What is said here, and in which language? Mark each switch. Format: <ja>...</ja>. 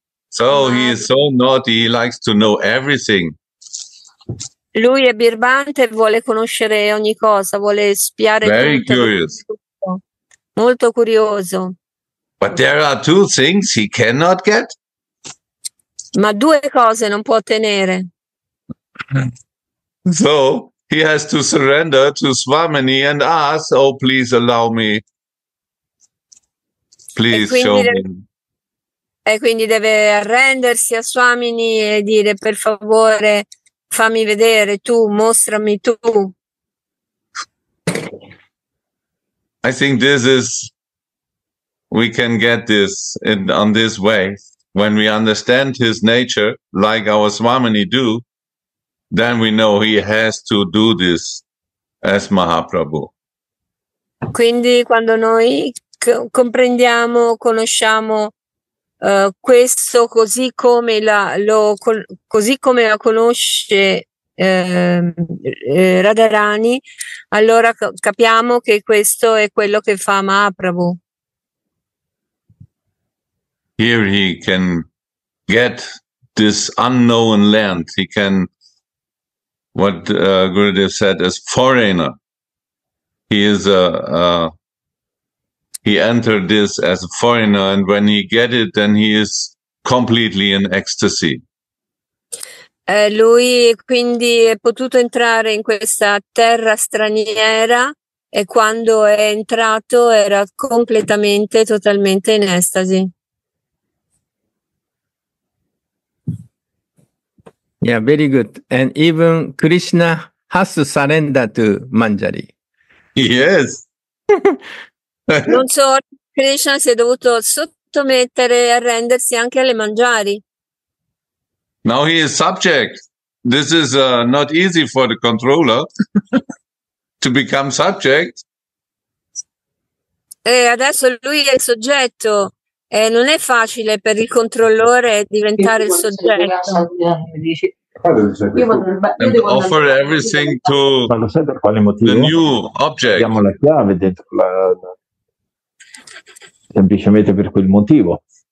<en>So he is so naughty, he likes to know everything.</en> <it>Lui è birbante, vuole conoscere ogni cosa, vuole spiare.</it> <en>Very curious.</en> <it>Molto curioso.</it> <en>But there are two things he cannot get.</en> <it>Ma due cose non può tenere.</it> <en>So he has to surrender to Swamini and ask, oh please allow me, please show me.</en> <it>E quindi deve arrendersi a Swamini e dire per favore fammi vedere tu, mostrami tu.</it> <en>I think this is, we can get this in, on this way, when we understand his nature like our Swamini do, then we know he has to do this as Mahaprabhu.</en> <it>Quindi quando noi comprendiamo, conosciamo questo così come la lo così come la conosce Radharani, allora capiamo che questo è quello che fa Mahaprabhu.</it> <en>Here he can get this unknown land. He can, what Gurudev said, as foreigner. He is he entered this as a foreigner, and when he get it, then he is completely in ecstasy. Lui quindi è potuto entrare in questa terra straniera, e quando è entrato era completamente, totalmente in estasi. Yeah, very good. And even Krishna has to surrender to Manjari. Yes.</en> <it>Non so, Krishna si è dovuto sottomettere e arrendersi anche alle Manjari.</it> <en>Now he is subject. This is not easy for the controller to become subject.</en> <it>E adesso lui è il soggetto. E non è facile per il controllore diventare il soggetto.</it> <en>And offer everything to the new object.</en> <it>Diamo la chiave dentro la, semplicemente per quel motivo.</it>